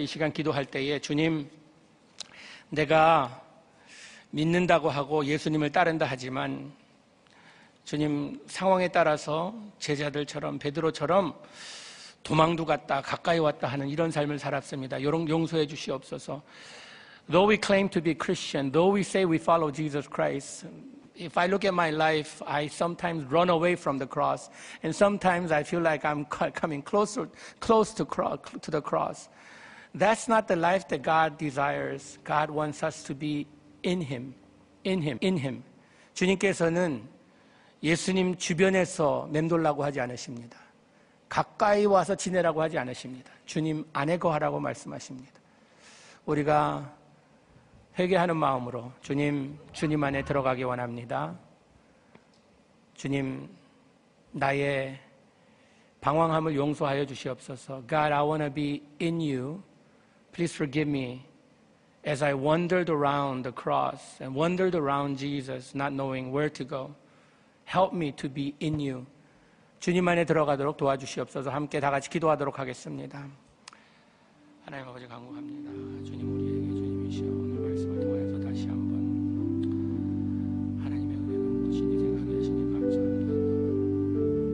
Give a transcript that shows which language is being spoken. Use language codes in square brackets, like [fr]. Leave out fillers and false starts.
[ko] 이 시간 기도할 때에 주님, 내가 믿는다고 하고 예수님을 따른다 하지만 주님 상황에 따라서 제자들처럼 베드로처럼 도망도 갔다 가까이 왔다 하는 이런 삶을 살았습니다. 용서해 주시옵소서. [en] Though we claim to be Christian, though we say we follow Jesus Christ, if I look at my life, I sometimes run away from the cross, and sometimes I feel like I'm coming close to the cross. That's not the life that God desires. God wants us to be in Him. [ko] 주님께서는 예수님 주변에서 맴돌라고 하지 않으십니다. 가까이 와서 지내라고 하지 않으십니다. 주님 안에 거하라고 말씀하십니다. 우리가 회개하는 마음으로 주님 안에 들어가기 원합니다. 주님, 나의 방황함을 용서하여 주시옵소서. [en] God, I want to be in you. Please forgive me as I wandered around the cross and wandered around Jesus, not knowing where to go. Help me to be in you. [ko] 주님 안에 들어가도록 도와주시옵소서. 함께 다 같이 기도하도록 하겠습니다. 하나님 아버지 간구합니다. 주님 우리에게 주님이시여 오늘 말씀을 통해서 다시 한번 하나님의 은혜가 무엇인지 생각해 주시니 감사합니다.